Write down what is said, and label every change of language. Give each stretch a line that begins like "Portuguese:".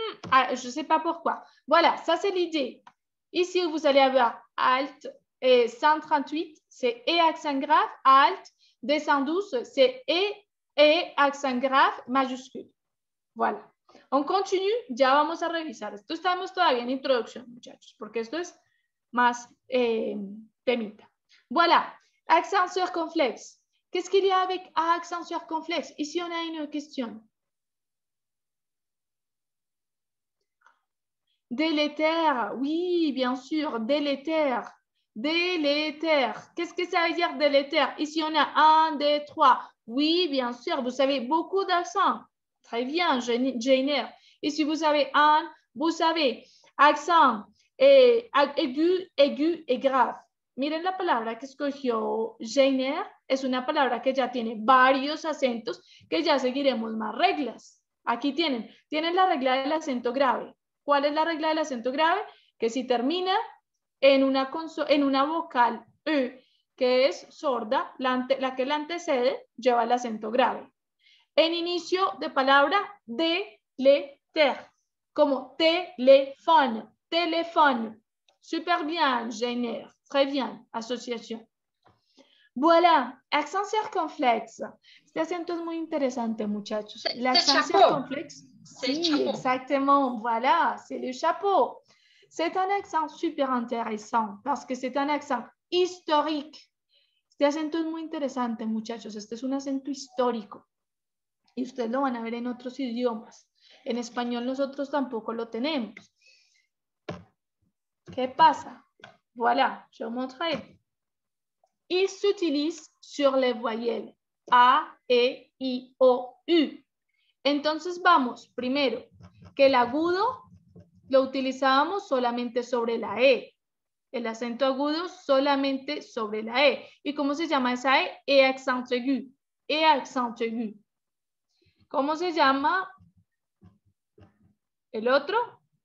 French: Ah, je ne sais pas pourquoi. Voilà, ça c'est l'idée. Ici, vous allez avoir alt et 138, c'est et accent grave, alt, 212, c'est et accent grave, majuscule. Voilà. On continue,
Spanish: ya vamos a revisar. Esto estamos todavía en introducción, muchachos, porque esto es más temita.
French: Voilà, accent circonflexe. Qu'est-ce qu'il y a avec A accent circonflexe? Ici, on a une question. Délétère, oui, bien sûr, délétère. Délétère. Qu'est-ce que ça veut dire délétère? Ici, on a un, deux, trois. Oui, bien sûr, vous avez beaucoup d'accents. Très bien, Jainer. Ici, vous avez un, vous savez, accent et aigu et grave.
Spanish: Miren la palabra que escogió Jainer. Es una palabra que ya tiene varios acentos que ya seguiremos más reglas. Aquí tienen la regla del acento grave. ¿Cuál es la regla del acento grave? Que si termina en una vocal U, que es sorda, la que la antecede, lleva el acento grave. En inicio de palabra, deleter, como téléphone, téléphone. Super bien, Jainer.
French: Très bien,
Spanish: asociación.
French: Voilà, accent circonflexe.
Spanish: Este acento es muy interesante, muchachos. El accent circonflexe. Sí,
French: exactement. Voilà, c'est le chapeau. C'est un accent super intéressant parce que c'est un accent historique.
Spanish: Este acento es muy interesante, muchachos. Este es un acento histórico. Y ustedes lo van a ver en otros idiomas. En español nosotros tampoco lo tenemos. ¿Qué pasa?
French: Voilà, je vous montre. Il s'utilise sur les voyelles A, E, I, O, U.
Spanish: Entonces vamos, primero, que el agudo lo utilizábamos solamente sobre la E. El acento agudo solamente sobre la E. ¿Y cómo se llama esa E? E accent aigu. E accent aigu. ¿Cómo se llama el otro?